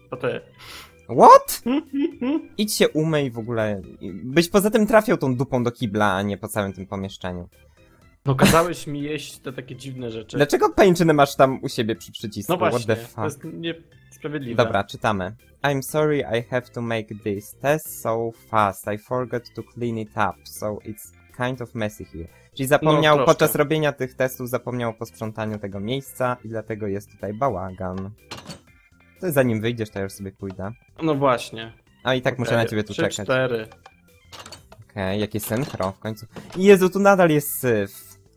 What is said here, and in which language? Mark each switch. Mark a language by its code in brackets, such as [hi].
[pl] Testy. [en] What? [pl] Idź się umyj w ogóle. Byś poza tym trafiał tą dupą do kibla, a nie po całym tym pomieszczeniu. No kazałeś mi jeść te takie dziwne rzeczy. Dlaczego pajęczynę masz tam u siebie przy przycisku? No właśnie, [en] what the fuck? [pl] To jest niesprawiedliwe. Dobra, czytamy. [en] I'm sorry I have to make this test so fast. I forgot to clean it up, so it's kind of messy here. [pl] Czyli zapomniał podczas robienia tych testów, zapomniał o posprzątaniu tego miejsca i dlatego jest tutaj bałagan. To jest zanim wyjdziesz, to ja już sobie pójdę. No właśnie. A i tak muszę na ciebie tu 3, czekać. 4. Okej, okay, jakie synchro w końcu. Jezu, tu nadal jest syf.